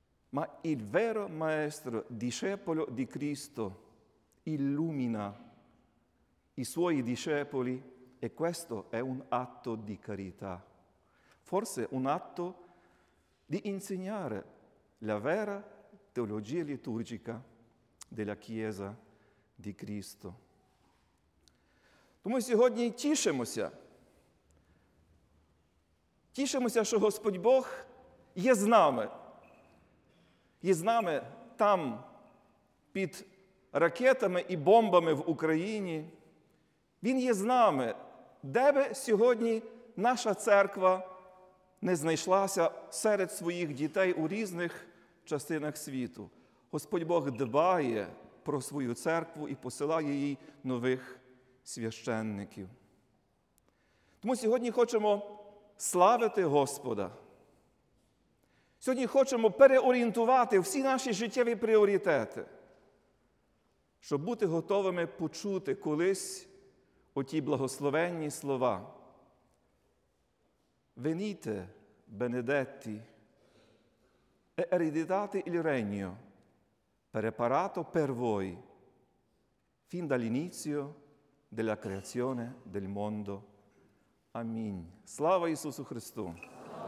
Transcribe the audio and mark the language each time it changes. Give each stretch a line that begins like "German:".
Italian: Ma il vero maestro, discepolo di Cristo, illumina i suoi discepoli e questo è un atto di carità, forse un atto di insegnare la vera teologia liturgica della Chiesa di Cristo.
Ukrainian: Тому сьогодні тішимося, що Господь Бог є з нами там під ракетами і бомбами в Україні. Він є з нами. Де би сьогодні наша церква не знайшлася серед своїх дітей у різних частинах світу? Господь Бог дбає про свою церкву і посилає їй нових священників. Тому сьогодні хочемо славити Господа. Сьогодні хочемо переорієнтувати всі наші життєві пріоритети, щоб бути готовими почути колись оті благословенні слова.
Italian: Venite, benedetti, e ereditate il regno preparato per voi fin dall'inizio della creazione del mondo. Amen.
Ukrainian: Слава Ісусу Христу!